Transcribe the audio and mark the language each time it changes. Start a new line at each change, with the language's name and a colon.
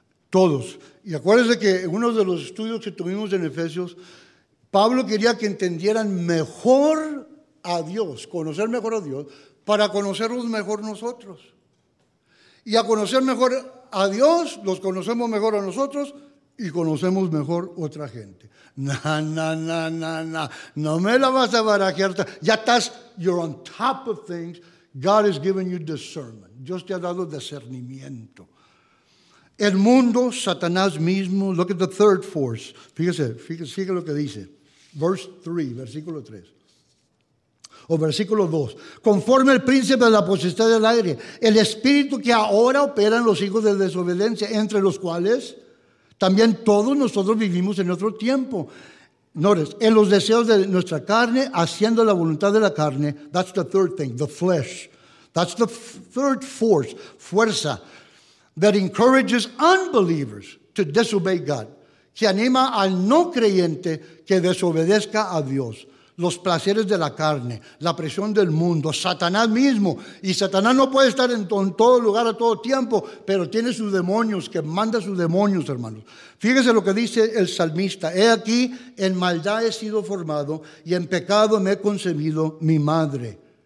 Spanish: Todos. Y acuérdense que en uno de los estudios que tuvimos en Efesios, Pablo quería que entendieran mejor a Dios, conocer mejor a Dios, para conocernos mejor nosotros. Y a conocer mejor a Dios, los conocemos mejor a nosotros y conocemos mejor otra gente. No me la vas a barajear, ya estás
English: you're on top of things, God has given you discernment.
Spanish: Dios te ha dado discernimiento. El mundo, Satanás mismo,
English: look at the third force.
Spanish: Fíjese lo que dice. Versículo 2. Conforme el príncipe de la potestad del aire, el espíritu que ahora opera en los hijos de desobediencia, entre los cuales también todos nosotros vivimos en otro tiempo. Notice, en los deseos de nuestra carne, haciendo la voluntad de la carne.
English: That's the third thing, the flesh. That's the third force, fuerza, that encourages unbelievers to disobey God.
Spanish: Que anima al no creyente que desobedezca a Dios. Los placeres de la carne, la presión del mundo, Satanás mismo. Y Satanás no puede estar en todo lugar a todo tiempo, pero tiene sus demonios, que manda sus demonios, hermanos. Fíjese lo que dice el salmista. He aquí, en maldad he sido formado y en pecado me he concebido mi madre.